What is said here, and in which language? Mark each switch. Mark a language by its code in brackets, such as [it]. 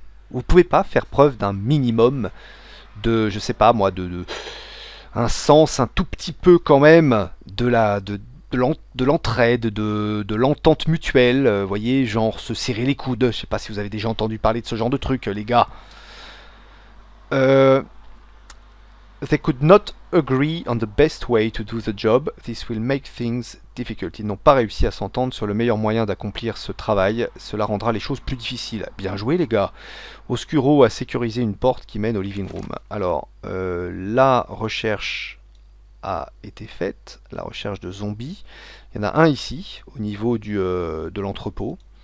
[fr] Vous pouvez pas faire preuve d'un minimum de, je sais pas moi, de un sens, un tout petit peu quand même de l'entraide, de l'entente mutuelle. Voyez, genre se serrer les coudes. Je sais pas si vous avez déjà entendu parler de ce genre de truc, les gars. [en] They could not agree on the best way to do the job. This will make things difficult. [fr] Ils n'ont pas réussi à s'entendre sur le meilleur moyen d'accomplir ce travail. Cela rendra les choses plus difficiles. Bien joué, les gars. Oscuro a sécurisé une porte qui mène au living room. Alors, la recherche a été faite. La recherche de zombies. Il y en a un ici, au niveau de l'entrepôt.